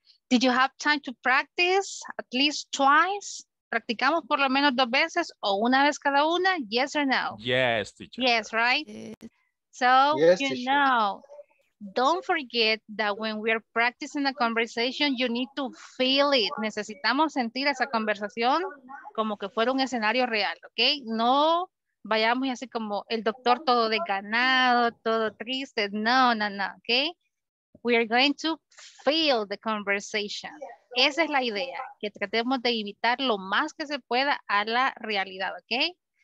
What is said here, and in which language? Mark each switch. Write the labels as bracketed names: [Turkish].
[English] Did you have time to practice at least twice? [Spanish] ¿Practicamos por lo menos dos veces o una vez cada una? [English] Yes or no? Yes, teacher. Yes, right? So, yes, you teacher. Know, don't forget that when we are practicing a conversation, you need to feel it. [Spanish] Necesitamos sentir esa conversación como que fuera un escenario real, okay? No vayamos así como el doctor todo desganado, todo triste. [English] No, no, no, okay? We are going to feel the conversation. [Spanish] Esa es la idea, que tratemos de imitar lo más que se pueda a la realidad, ¿ok?